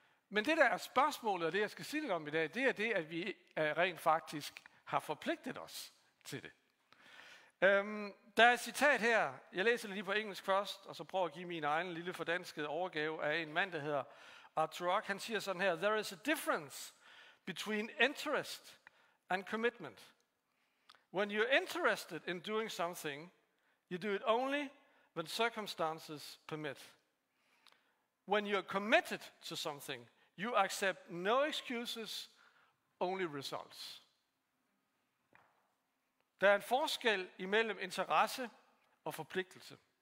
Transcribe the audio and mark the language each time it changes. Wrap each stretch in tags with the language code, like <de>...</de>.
<da>Men det, der er spørgsmålet, og det, jeg skal sige lidt om i dag, det er det, at vi rent faktisk har forpligtet os til det. Der er et citat her, jeg læser lige på engelsk først, og så prøver at give min egen lille fordanskede overgave af en mand, der hedder Arthur Rock. Han siger sådan her:</da> <en>"There is a difference between interest and commitment. When you're interested in doing something, you do it only when circumstances permit. When you're committed to something, you accept no excuses, only results."</en> <da>Der er en forskel imellem interesse og forpligtelse.</da>